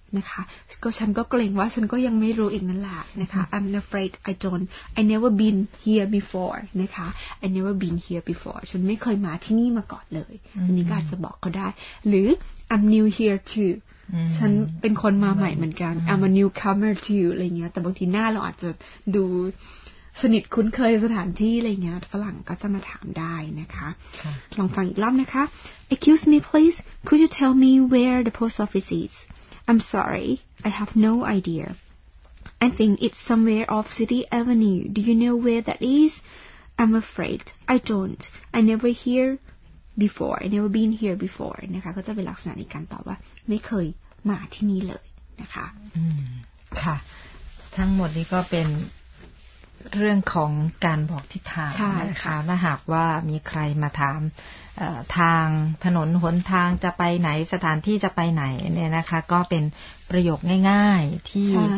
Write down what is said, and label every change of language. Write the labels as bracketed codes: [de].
[th] นะคะก็ฉันก็เกรงว่าฉันก็ยังไม่รู้อีกนั่นแหละนะคะ [en] I'm afraid I don't I never been here before [th] นะคะ [en] I never been here before [th] ฉันไม่เคยมาที่นี่มาก่อนเลย อันนี้ก็อาจจะบอกเขาได้หรือ [en] I'm new here too [th] ฉันเป็นคนมาใหม่เหมือนกัน [en] I'm a newcomer too [th] อะไรเงี้ยแต่บางทีหน้าเราอาจจะดู สนิทคุ้นเคยสถานที่อะไรเงี้ยฝรั่งก็จะมาถามได้นะคะลองฟังอีกรอบนะคะ [en] Excuse me please could you tell me where the post office isI'm sorry, I have no idea. I think it's somewhere off City Avenue. Do you know where that is? I'm afraid, I don't. I never here before. I never been here before. [th] นะคะก็จะเป็นลักษณะในการตอบว่าไม่เคยมาที่นี่เลยนะคะ ค่ะทั้งหมดนี้ก็เป็นเรื่องของการบอกทิศทางนะคะและหากว่ามีใครมาถามทางถนนหนทางจะไปไหนสถานที่จะไปไหนเนี่ยนะคะก็เป็นประโยคง่ายๆที่